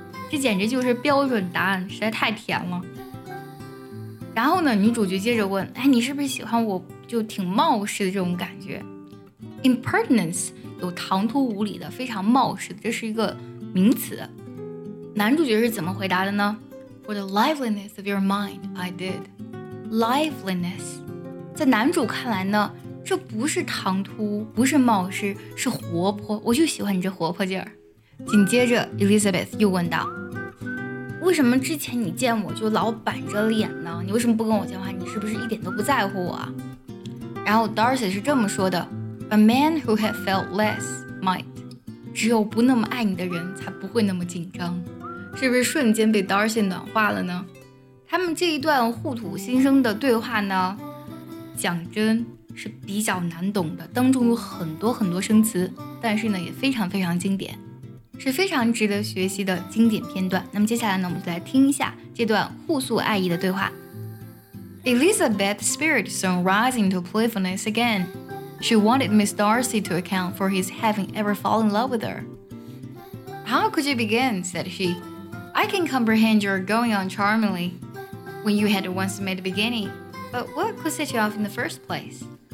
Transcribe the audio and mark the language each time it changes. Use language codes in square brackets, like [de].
[zh] 这简直就是标准答案，实在太甜了。然后呢，女主角接着问，哎，你是不是喜欢我就挺冒失的这种感觉？ Impertinence 有唐突无理的，非常冒失的，这是一个名词。男主角是怎么回答的呢？ [en] For the liveliness of your mind, I did. Liveliness. [zh] 在男主看来呢，这不是唐突，不是冒失，是活泼，我就喜欢你这活泼劲儿。紧接着 Elizabeth 又问道，为什么之前你见我就老板着脸呢？你为什么不跟我讲话？你是不是一点都不在乎我？然后 Darcy 是这么说的， [en] A man who had felt less might. [zh] 只有不那么爱你的人才不会那么紧张。是不是瞬间被 Darcy 暖化了呢？他们这一段互吐心声的对话呢，讲真是比较难懂的，当中有很多很多生词，但是呢也非常非常经典，是非常值得学习的经典片段。那么接下来呢，我们就来听一下这段互诉爱意的对话。 [en] Elizabeth's spirit soon rising to playfulness again. She wanted Miss Darcy to account for his having ever fallen in love with her. How could you begin, said she. I can comprehend your going on charmingly when you had once made a beginning, but what could set you off in the first place?